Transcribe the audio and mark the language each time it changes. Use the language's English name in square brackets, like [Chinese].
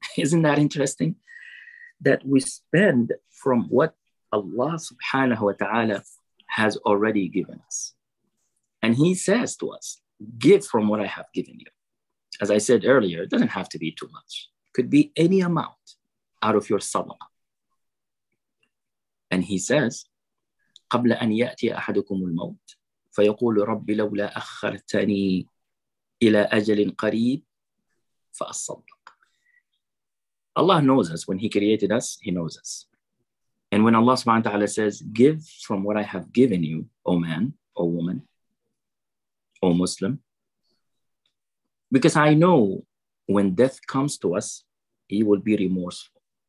[English] Isn't that interesting? That we spend from what Allah subhanahu wa ta'ala has already given us. And He says to us, give from what I have given you. As I said earlier, it doesn't have to be too much. It could be any amount out of your sadaqah. And He says, [Arabic] قبل أن يأتي أحدكم الموت فيقول ربي لولا أخرتني إلى أجل قريب فأصدق. [English] Allah knows us. When He created us, He knows us. And when Allah subhanahu wa ta'ala says, give from what I have given you, O man, O woman, O Muslim, because I know when death comes to us, he will be remorseful.